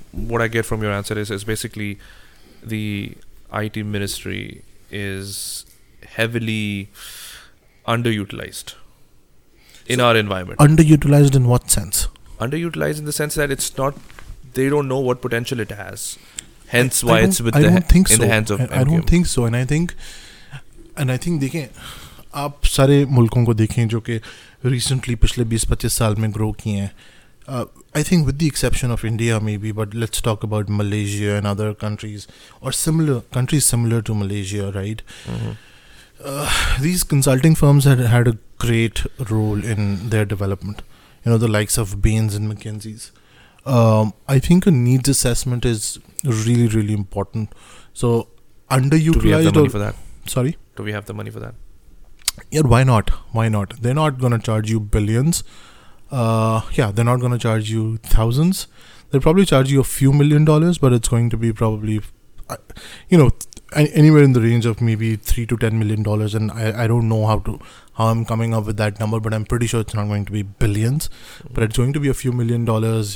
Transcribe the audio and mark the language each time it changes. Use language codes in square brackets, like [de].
[en] What I get from your answer is basically the IT ministry is heavily underutilized in our environment. Underutilized in what sense? Underutilized in the sense that it's not, they don't know what potential it has. Hence why it's with the hands of MQM. I don't think so. And I think, [ur] دیکھیں آپ سارے ملکوں کو دیکھیں جو کہ recently پچھلے 20-25 سال میں گرو کیے ہیں. [en] I think with the exception of India maybe, but let's talk about Malaysia and other countries اور similar countries similar to Malaysia, right? These consulting firms had a great role in their development, you know the likes of Bains and McKinseys. I think a needs assessment is really really important. So underutilized, do we have the money or, for that? Sorry, do we have the money for that? Yeah, why not, they're not going to charge you billions, they're not going to charge you thousands, they'll probably charge you a few million dollars, but it's going to be probably anywhere in the range of maybe $3 to $10 million, and I don't know how I'm coming up with that number, but I'm pretty sure it's not going to be billions, but it's going to be a few million dollars.